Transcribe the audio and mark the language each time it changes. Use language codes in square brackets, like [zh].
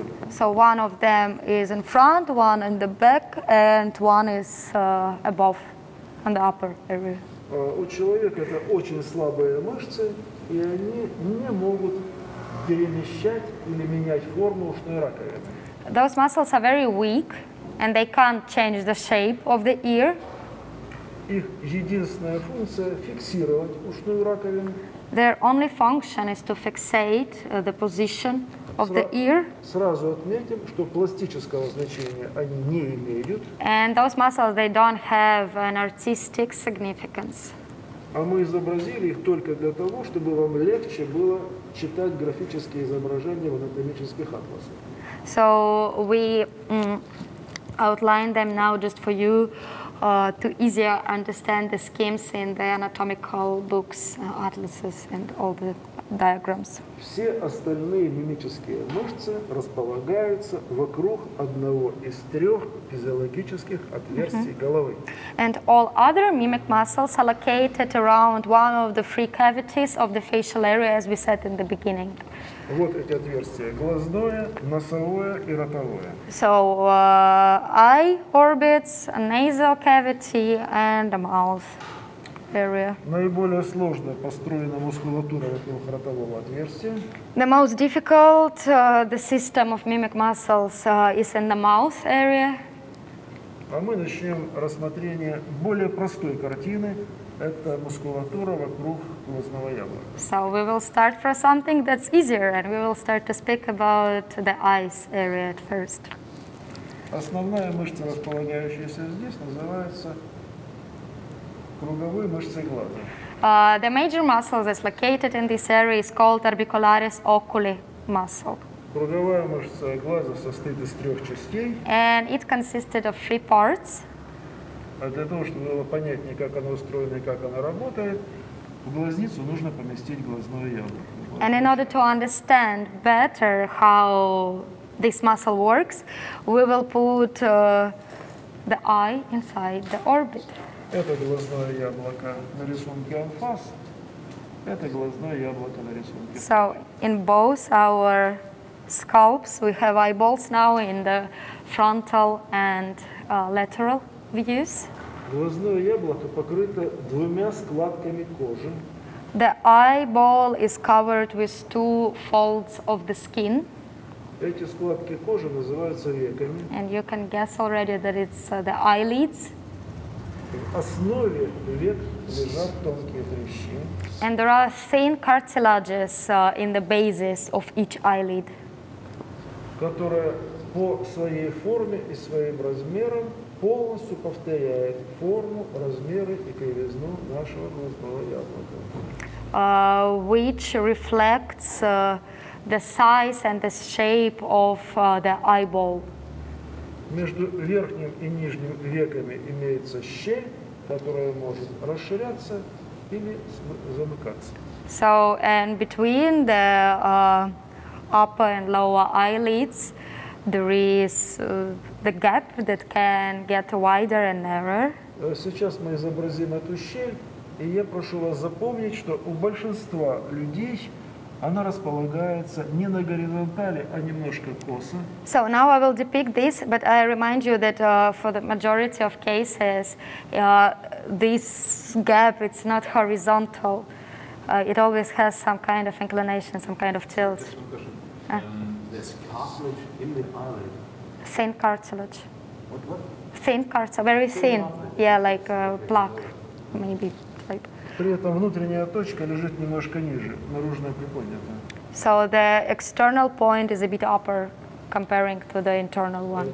[en] So one of them is in front, one in the back, and one is above, on the upper area. [ru] У человека это очень слабые мышцы, и они не могут перемещать или менять форму ушной раковины. [en] Those muscles are very weak, and they can't change the shape of the ear. [ru] Их единственная функция – фиксировать ушную раковину. [en] Their only function is to fixate the position of the ear. [ru] Сразу отметим, что пластического значения они не имеют. [en] And those muscles, they don't have an artistic significance. [ru] А мы изобразили их только для того, чтобы вам легче было читать графические изображения в анатомических атласах. [en] So we outline them now just for you to easier understand the schemes in the anatomical books, atlases and all the diagrams. [ru] Все остальные мимические мышцы располагаются вокруг одного из трех физиологических отверстий головы. [en] And all other mimic muscles are located around one of the three cavities of the facial area, as we said in the beginning. [ru] Вот эти отверстия – глазное, носовое и ротовое. [en] So, eye orbits, a nasal cavity and a mouth. Area. [ru] Наиболее сложно построена мускулатура этого ротового отверстия. [en] The most difficult the system of mimic muscles is in the mouth area. [ru] А мы начнем рассмотрение более простой картины. Это мускулатура вокруг глазного яблока. [en] So we will start for something that's easier, and we will start to speak about the eyes area at first. [ru] Основная мышца, располагающаяся здесь, называется круговые мышцы глаза. [en] The major muscle that's located in this area is called orbicularis oculi muscle. [ru] Круговая мышца глаза состоит из трех частей. [en] And it consisted of three parts. [ru] А для того, чтобы было понятнее, как оно устроено и как оно работает, в глазницу нужно поместить глазное яблоко. [en] And in order to understand better how this muscle works, we will put the eye inside the orbit. [ru] Это глазное яблоко на рисунке анфас. Это глазное яблоко на рисунке. [en] So in both our sculpts, we have eyeballs now in the frontal and lateral views. [ru] Глазное яблоко покрыто двумя складками кожи. [en] The eyeball is covered with two folds of the skin. [ru] Эти складки кожи называются веками. [en] And you can guess already that it's the eyelids. [ru] В основе век лежат тонкие хрящи. [en] And there are thin cartilages in the bases of each eyelid. [ru] Которая по своей форме и своим размерам полностью повторяет форму, размеры и кривизну нашего глазного яблока. [en] Which reflects the size and the shape of the eyeball. [ru] Между верхним и нижним веками имеется щель, которая может расширяться или замыкаться. [en] So, and between the upper and lower eyelids, there is the gap that can get wider and narrower. [ru] Сейчас мы изобразим эту щель. И я прошу вас запомнить, что у большинства людей она располагается не на горизонтали, а немножко косо. [en] So now I will depict this, but I remind you that for the majority of cases, this gap, it's not horizontal. It always has some kind of inclination, some kind of tilt. There's cartilage in the eyelid. Thin cartilage. What? Thin cartilage, very thin. Yeah, like a plaque, maybe. [ru] При этом внутренняя точка лежит немножко ниже, наружная приподнята. [en] So the external point is a bit upper comparing to the internal one.